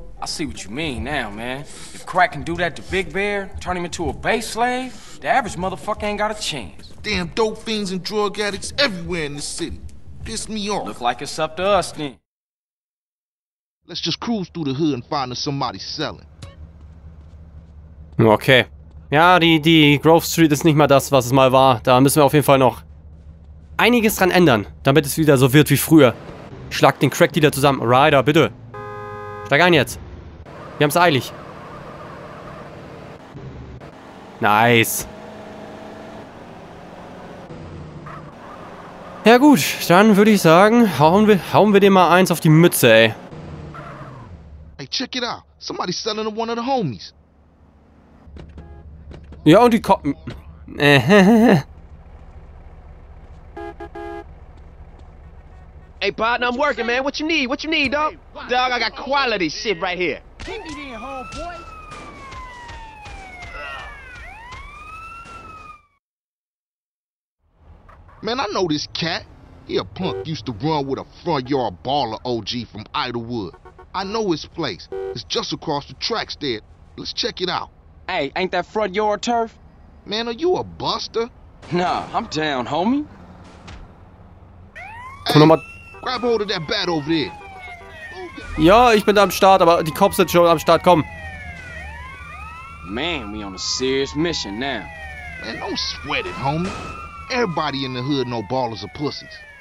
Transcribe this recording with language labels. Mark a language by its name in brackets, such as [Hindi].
[English] I see what you mean now, man. If crack can do that to Big Bear, turn him into a base slave, the average motherfucker ain't got a chance. Damn dope fiends and drug addicts everywhere in this city. Piss me off. Look like it's up to us, then. Let's just cruise through the hood and find us somebody selling. Okay. [German] Ja, die Grove Street ist nicht mal das, was es mal war. Da müssen wir auf jeden Fall noch einiges dran ändern, damit es wieder so wird wie früher. Schlag den Crack-Dealer zusammen. Ryder, bitte. Steig ein jetzt. Wir haben es eilig. Nice. Ja gut, dann würde ich sagen, hauen wir dem mal eins auf die Mütze, ey. [English] Hey, check it out. Somebody's selling to one of the homies. [German] Ja, und die Koppen. [English] Hey, partner, I'm working, man. What you need? What you need, dog? Dog, I got quality shit right here. Give me that, homeboy. Man, I know this cat. He a punk used to run with a front yard baller OG from Idlewood. I know his place. It's just across the tracks there. Let's check it out. Hey, ain't that front yard turf? Man, are you a buster? Nah, I'm down, homie. Hey, grab hold of that bat over there. [German] Ja, ich bin am Start, aber die Cops sind schon am Start, komm. [English] Man, we on a serious mission now. Man, don't sweat it, homie. Everybody in the hood know ballers are pussies.